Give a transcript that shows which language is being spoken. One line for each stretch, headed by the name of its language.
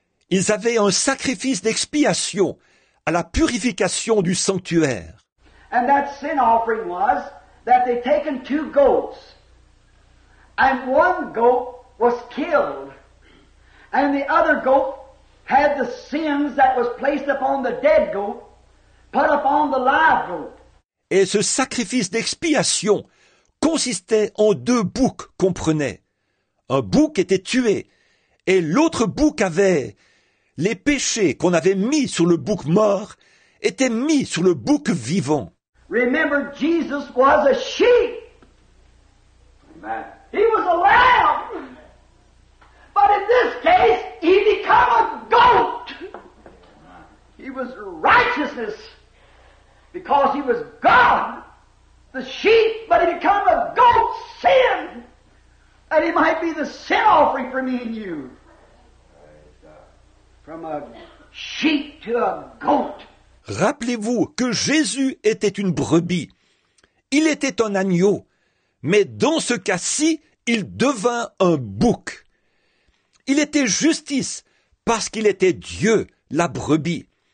French: Ils avaient un sacrifice d'expiation à la purification du sanctuaire.
English: And that sin offering was that they taken two goats, and one goat was killed, and the other goat had the sins that was placed upon the dead goat put upon the live goat.
French: Et ce sacrifice d'expiation consistait en deux boucs qu'on prenait. Un bouc était tué et l'autre bouc avait les péchés qu'on avait mis sur le bouc mort étaient mis sur le bouc vivant.
English: Remember, Jesus was a sheep. Amen. He was a lamb. But in this case, he became a goat. He was righteousness because he was God, the sheep, but he became a goat, sin, that he might be the sin offering for me and you. From a sheep to a goat.
French: Rappelez-vous que Jésus était une brebis. Il était un agneau, mais dans ce cas-ci, il devint un bouc. Il était justice parce qu'il était Dieu, la brebis.